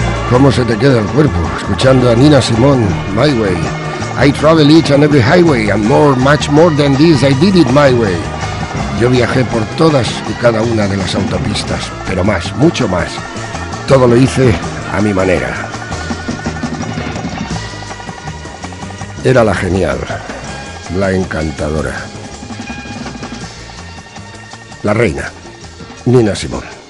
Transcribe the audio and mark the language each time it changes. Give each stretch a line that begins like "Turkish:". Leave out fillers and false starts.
Spanish: ¿Cómo se te queda el cuerpo escuchando a Nina Simone, My Way?
English: I travel each and every highway and more, much more than this, I did it my way.
Spanish: Yo viajé por todas y cada una de las autopistas, pero más, mucho más. Todo lo hice a mi manera. Era la genial, la encantadora, la reina, Nina Simone.